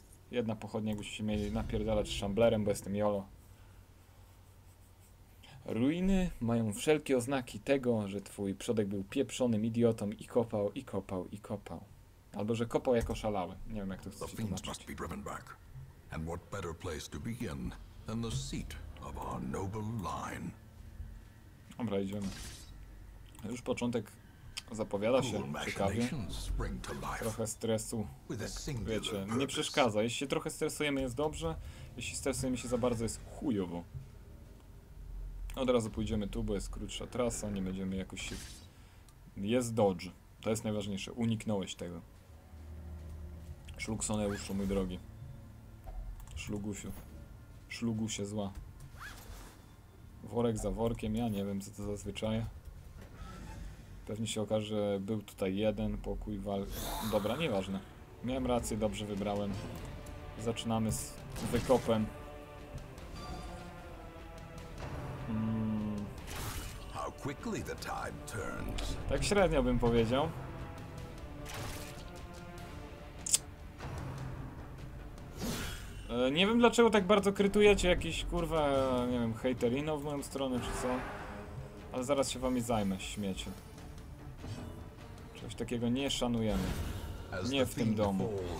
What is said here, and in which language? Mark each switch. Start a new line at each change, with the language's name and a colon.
Polish: Jedna pochodnia, jakbyście mieli napierdalać szamblerem, bo jestem jolo. Ruiny mają wszelkie oznaki tego, że twój przodek był pieprzonym idiotą i kopał, i kopał, i kopał. Albo że kopał jako szalały. Nie wiem, jak to chcecie tłumaczyć.
English: And what better place to begin than the seat of our noble line.
Polish: Dobra, idziemy. Już początek zapowiada się ciekawie. Trochę stresu, wiecie, nie przeszkadza. Jeśli się trochę stresujemy, jest dobrze. Jeśli stresujemy się za bardzo, jest chujowo. Od razu pójdziemy tu, bo jest krótsza trasa. Nie będziemy jakoś się... Jest dodge. To jest najważniejsze. Uniknąłeś tego. Szlugsoneuszu, mój drogi. Szlugusiu. Szlugusie zła. Worek za workiem, ja nie wiem, co to zazwyczaj. Pewnie się okaże, że był tutaj jeden pokój walki. Dobra, nieważne. Miałem rację, dobrze wybrałem. Zaczynamy z wykopem.
English: How quickly the time turns.
Polish: Tak średnio bym powiedział. Nie wiem, dlaczego tak bardzo krytujecie jakiś, kurwa, nie wiem, hejterino w moją stronę, czy co. Ale zaraz się wami zajmę, śmiecie. Czegoś takiego nie szanujemy. Nie w tym domu.